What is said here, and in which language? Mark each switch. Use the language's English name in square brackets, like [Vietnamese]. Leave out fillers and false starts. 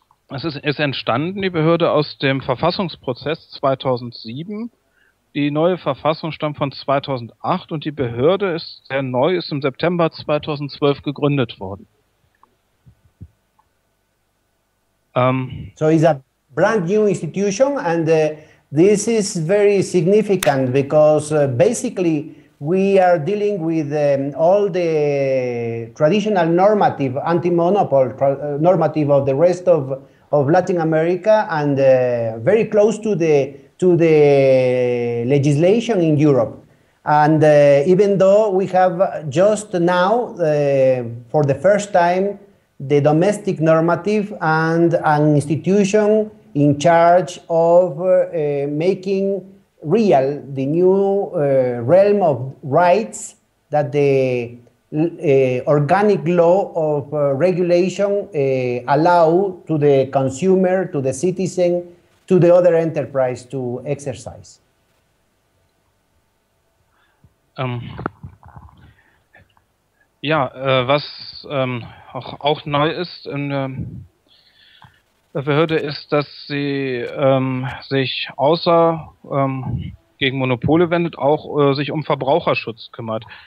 [German] Es ist entstanden, die Behörde, aus dem Verfassungsprozess 2007. Die neue Verfassung stammt von 2008 und die Behörde ist sehr neu, ist im September 2012 gegründet worden. [English] So it's a brand new institution, and this is very significant because basically we are dealing with all the traditional normative, anti-monopoly normative of the rest of Latin America, and very close to the legislation in Europe. And even though we have just now, for the first time, the domestic normative and an institution in charge of making real the new realm of rights that the organic law of regulation allow to the consumer, to the citizen, to the other enterprise to exercise. [German] Ja, was auch neu ist in der Behörde, ist, dass sie sich außer gegen Monopole wendet, auch sich um Verbraucherschutz kümmert.